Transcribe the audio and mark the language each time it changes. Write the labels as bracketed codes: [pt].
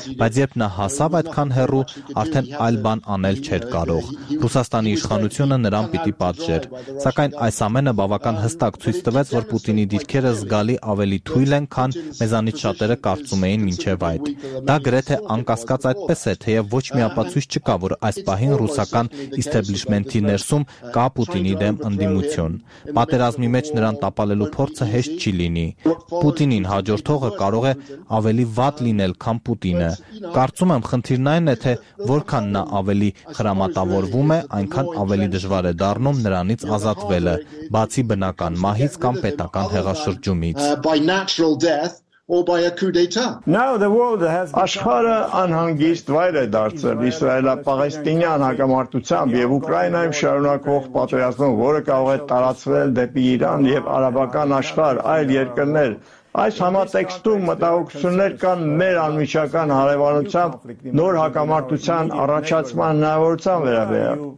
[hy] Բայց երբ նա հասավ այդքան հեռու, արդեն այլ բան անել չէր կարող։ Ռուսաստանի իշխանությունը նրան պիտի պատժեր։ Սակայն այս ամենը բավական հստակ ցույց տվեց, որ Պուտինի դիրքերը զգալի ավելի թույլ են, քան մեզանից շատերը կարծում էին մինչև այդ։ Դա գրեթե անկասկած այդպես է, թեև ոչ մի ապացույց չկա, որ այս պահին ռուսական իսթեբլիշմենթի ներսում կա Պուտինի դեմ ընդդիմություն։ Պատերազմի մեջ նրան տապալելու փորձը հեշտ չի լինի։ Պուտինին հաջորդողը կարող է ավելի վատ լինել, քան Պուտինը։ Կարծում եմ, խնդիրն այն է, թե որքան նա ավելի խրամատավորվում է, այնքան ավելի դժվար է դառնում նրանից ազատվելը, բացի բնական մահից կամ պետական հեղաշրջումից։ [en] Or by a coup d'etat. Now the world has [hy] աշխարհը անհանգիստ վայր է դարձել Իսրայելա-Պաղեստինյան հակամարտությամբ եւ Ուկրաինայում շարունակվող պատերազմով, որը կարող է տարածվել դեպի Իրան եւ արաբական աշխարհ, այլ երկրներ, Այս համատեքստում մտահոգություններ կան մեր անմիջական հարևանությամբ նոր հակամարտության առաջացման հնարավորության վերաբերյալ։